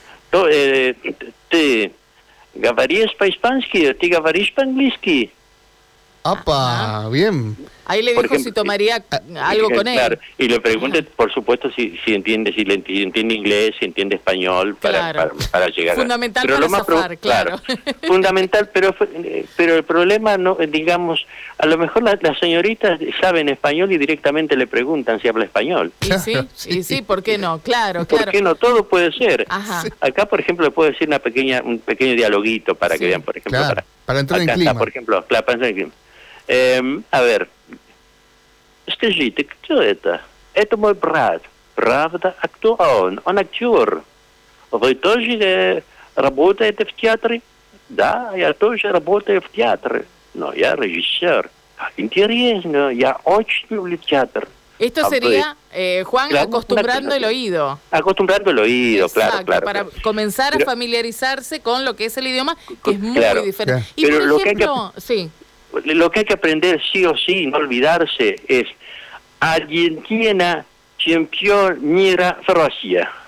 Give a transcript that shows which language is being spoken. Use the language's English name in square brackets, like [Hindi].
[Russian] Ты говоришь по-испански? ¿Ты говоришь по-английски? [Spanish] ¡Apa! Bien. Ahí le dijo, ejemplo, si tomaría algo con él. Claro. Y le pregunté, por supuesto, si entiende inglés, si entiende español, para llegar. Fundamental, a... pero para lo zafar, más pro... claro, claro. Fundamental, pero el problema, no, digamos, a lo mejor las señoritas saben español y directamente le preguntan si habla español. Y sí, ¿por qué no? Claro, claro. ¿Por qué no? Todo puede ser. Ajá. Acá, por ejemplo, le puedo decir un pequeño dialoguito para, sí, que vean, por ejemplo. Claro. Para entrar acá en clima. Está, por ejemplo, claro, para entrar en clima. A ver, [Russian] скажите, кто это? Это мой брат. Правда, а кто он? Он актер. Вы тоже работаете в театре? Да, я тоже работаю в театре. Но я режиссер. Интересно, я очень люблю театр. [Spanish] Esto sería, Juan, claro, acostumbrando el oído. Acostumbrando el oído, exacto, claro, claro. Para comenzar a familiarizarse con lo que es el idioma, que es muy, claro, diferente. Claro. Y pero por ejemplo, lo que hay que aprender sí o sí, no olvidarse, es Argentina, campeón, mira, Francia.